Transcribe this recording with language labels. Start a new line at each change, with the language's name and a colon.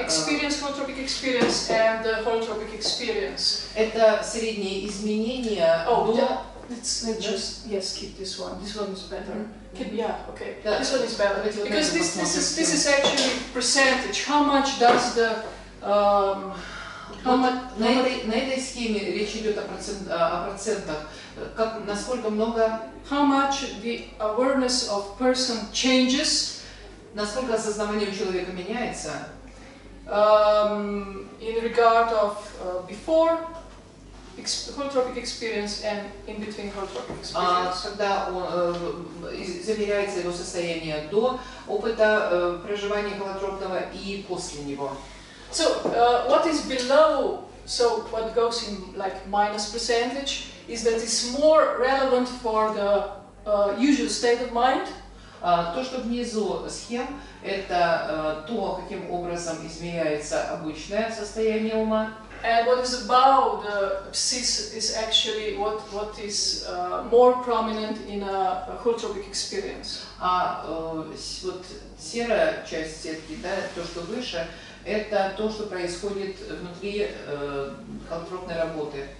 English: experience, holotropic experience and holotropic experience.
Russian: Это средние изменения.
English: Oh, let's keep this one. This one is better. Mm-hmm. This one is better. Because this is actually percentage. How much does the
Russian: На этой схеме речь идет о процентах. Как, насколько много?
English: How much the awareness of person changes?
Russian: Насколько осознавание у человека меняется?
English: In regard of before holotropic experience and in between holotropic experience.
Russian: Когда замеряется его состояние до опыта проживания холотропного и после него.
English: So what is below, so what goes in like minus percentage, is that it's more relevant for the usual state of mind.
Russian: То, что внизу схем, это то, каким образом изменяется обычное состояние ума.
English: And what is above the psis is actually what is more prominent in a holotropic experience.
Russian: А вот серая часть сетки, да, то, что выше, это то, что происходит внутри холотропной работы.